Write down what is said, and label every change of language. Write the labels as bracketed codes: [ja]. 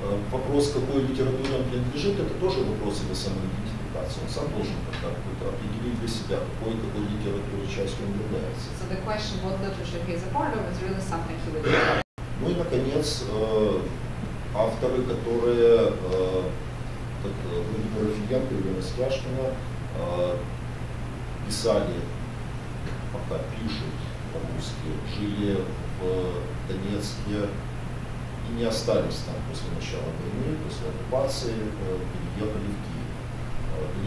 [ru] Вопрос, какой литературе он принадлежит, это тоже вопрос его самоидентификации. Он сам должен как-то определить для себя, какой литературной частью он является. [en] So the question, what literature he is a part of, is really something he would do. [ru] Ну и, наконец, авторы, которые, как Владимир Офигенко и Лена Стяжкина, писали, пока пишут по-русски, жили в Донецке и не остались там после начала войны, после оккупации, переехали в Киев.